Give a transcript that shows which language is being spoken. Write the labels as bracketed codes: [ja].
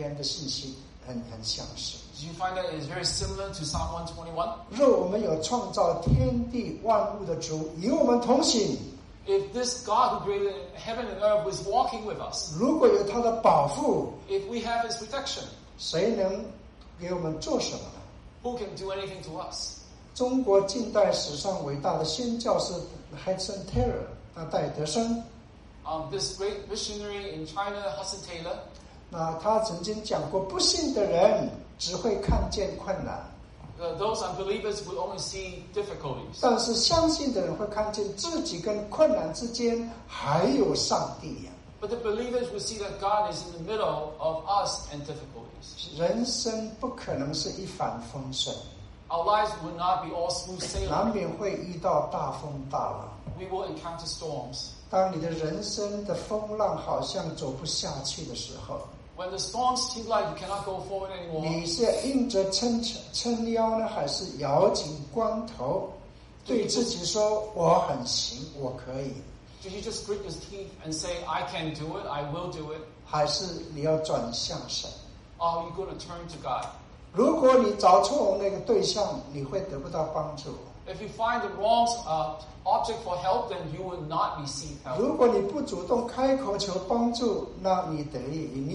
[zh] 你有没有发现跟我们诗篇121篇的信息很相似? [en] Do you find that it is very similar to Psalm 121? [zh] 若我们有创造天地万物的主与我们同行, [en] if this God who created heaven and earth was walking with us, [zh] 如果有他的保护, [en] if we have his protection, [zh] 谁能给我们做什么呢? [en] Who can do anything to us? [zh] 中国近代史上伟大的先教是Hudson Taylor,戴德生, [en] this great missionary in China, Hudson Taylor, [zh] 那他曾经讲过,不信的人只会看见困难, [en] those unbelievers will only see difficulties, [zh] 但是相信的人会看见自己跟困难之间还有上帝, [en] but the believers will see that God is in the middle of us and difficulties. [zh] 人生不可能是一帆风顺, [en] our lives will not be all smooth sailing. [zh] 难免会遇到大风大浪, [en] we will encounter storms. [zh] 当你的人生的风浪好像走不下去的时候, [en] When the storms seem like you cannot go forward anymore, [zh] 你是硬着撑腰呢, 还是咬紧光头, 对自己说, 我很行, 我可以? [en] Do you just grit your teeth and say, I can do it, I will do it? [zh] 还是你要转向神? [en] Are you going to turn to God? [zh] 如果你找错那个对象, 你会得不到帮助。 [en] If you find the wrong object for help, then you will not receive help. [zh] 如果你不主动开口求帮助, 那你得意,